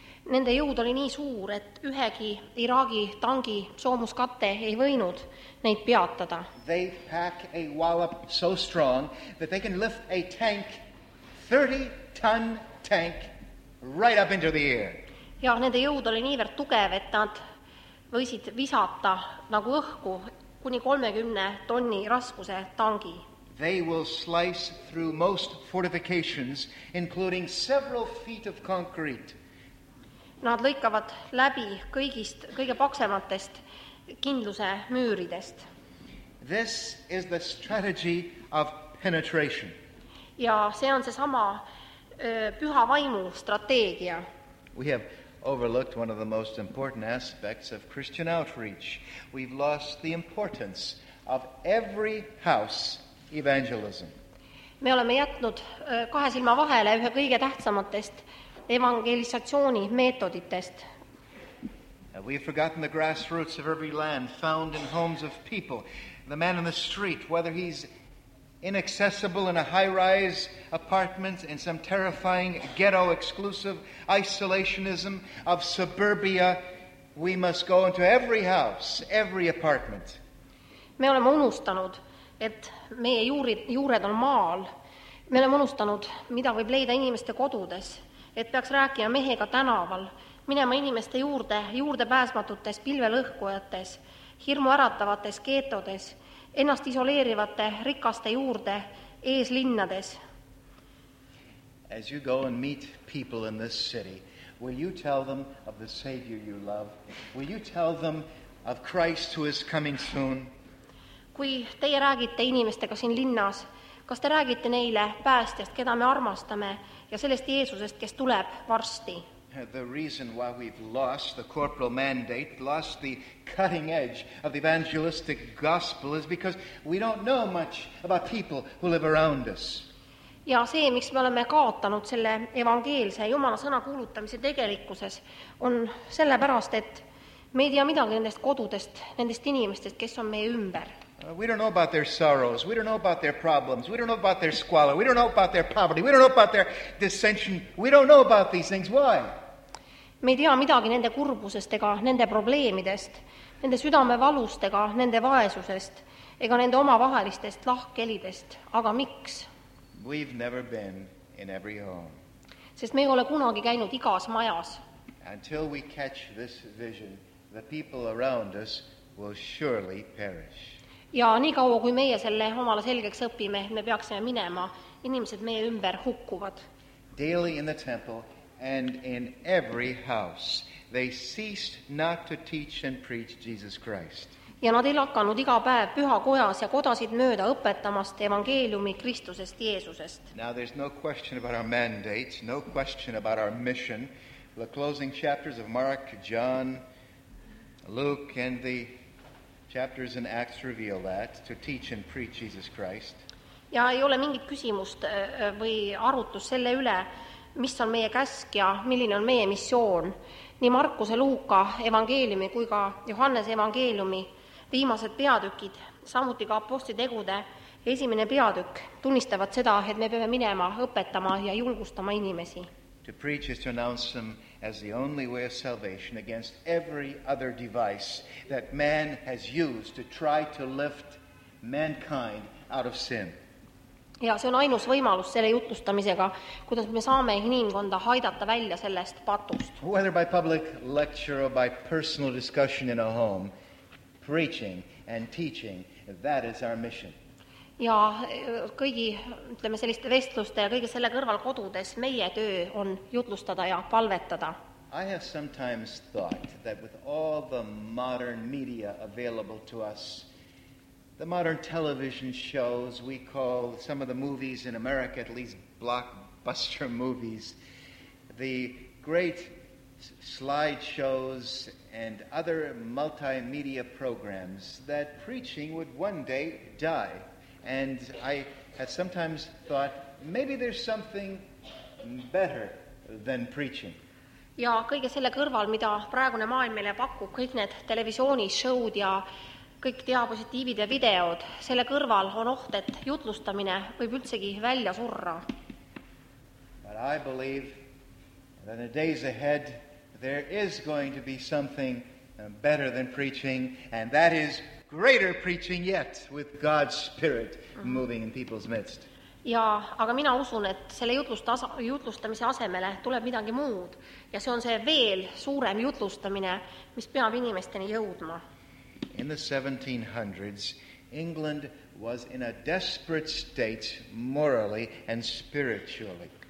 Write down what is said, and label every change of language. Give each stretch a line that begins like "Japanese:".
Estonian: Nende jõud oli nii suur, et ühegi Iraagi tangi soomuskatte ei võinud neid peatada.
English: They pack a wallop so strong that they can lift a tank, 30-ton tank, right up into the air.
Estonian: Ja nende jõud oli niivõrd tugev, et nad võisid visata nagu õhku kuni 30 tonni raskuse tangi.
English: They will slice through most fortifications, including several feet of concrete.
Estonian: Nad lõikavad läbi kõigist, kõige paksematest kindluse müüridest.
English: This is the strategy of penetration.
Estonian: Ja see on see sama püha vaimu strateegia.
English: We have overlooked one of the most important aspects of Christian outreach. We've lost the importance of every house evangelism.
Estonian: Me oleme jätnud kahe silma vahele ühe kõige tähtsamatest evangelisatsiooni meetoditest.
English: We've forgotten the grassroots of every land found in homes of people. The man in the street, whether he's inaccessible in a high-rise apartment in some terrifying ghetto exclusive isolationism of suburbia, we must go into every house, every apartment.
Estonian: Me oleme unustanud, et meie juured on maal. Me oleme unustanud, mida võib leida inimeste kodudes, et peaks rääkima mehega tänaval, minema inimeste juurde, juurde pääsmatutes pilvelõhkujates, hirmu äratavates keetodes, ennast isoleerivate rikaste juurde eeslinnades.
English: As you go and meet people in this city, Will you tell them of the Savior you love? Will you tell them of Christ who is coming soon?
Estonian: Kui teie räägite inimestega siin linnas, kas te räägite neile päästjast, keda me armastame, ja sellest Jeesusest, kes tuleb varsti?
English: The reason why we've lost the corporal mandate, lost the cutting edge of the evangelistic gospel, is because we don't know much about people who live around us.
Estonian: Ja see, miks me oleme kaotanud selle evangeelse Jumala sõna kuulutamise tegelikkuses, on sellepärast, et me ei tea midagi nendest kodudest, nendest inimestest, kes on meie ümber.
English: We don't know about their sorrows. We don't know about their problems. We don't know about their squalor. We don't know about their poverty. We don't know about their dissension. We don't know about these things. Why?
Estonian: Me ei tea midagi nende kurbusestega, nende probleemidest, nende südame valustega, nende vaesusest, ega nende oma vahelistest lahkelidest. Aga miks?
English: We've never been in every home.
Estonian: Sest me ei ole kunagi käinud igas majas.
English: Until we catch this vision, the people around us will surely perish.
Estonian: Ja nii kaua, kui meie selle omale selgeks õpime, me peaksime minema, inimesed meie ümber hukkuvad.
English: Daily in the temple and in every house, they ceased not to teach and preach Jesus Christ.
Estonian: Ja nad ei lakanud iga päev püha kojas ja kodasid mööda õpetamast evangeeliumi Kristusest Jeesusest.
English: Now there's no question about our mandate, no question about our mission. The closing chapters of Mark, John, Luke and the chapters in Acts reveal that, to teach and preach Jesus Christ.
Estonian: Ja ei ole mingit küsimust või arutus selle üle, mis on meie käsk ja milline on meie missioon. Nii Markuse Luuka evangeeliumi kui ka Johannese evangeeliumi viimased peatükid, samuti ka apostlitegude esimene peatükk, tunnistavad seda, et me peame minema õpetama ja julgustama inimesi.
English: To preach is to announce them as the only way of salvation against every other device that man has used to try to lift mankind out of sin.
Estonian: Ja see on ainus võimalus selle jutustamisega, kuidas me saame inimkonda haidata välja sellest patust.
English: Whether by public lecture or by personal discussion in a home, preaching and teaching, that is our mission.
Estonian: Ja kõigi, ütleme selliste vestluste ja kõige selle kõrval kodudes meie töö on jutlustada ja palvetada.
English: I have sometimes thought that with all the modern media available to us, the modern television shows, we call some of the movies in America, at least blockbuster movies, the great slideshows and other multimedia programs, that preaching would one day die. And I have sometimes thought, maybe there's something better than preaching.
Estonian: Ja kõige selle kõrval, mida praegune maailm meile pakub, kõik need televisioonishowd ja kõik diapositiivid ja videod, selle kõrval on oht, et jutlustamine võib üldsegi välja surra.
English: But I believe that in the days ahead, there is going to be something better than preaching, and that is greater preaching yet with God's Spirit moving in people's midst.
Estonian: Ja, aga mina usun, et selle jutlustamise asemele tuleb midagi muud. Ja see on see veel suurem jutlustamine, mis peab inimesteni jõudma.
English: In the 1700s, England was in a desperate state morally and spiritually.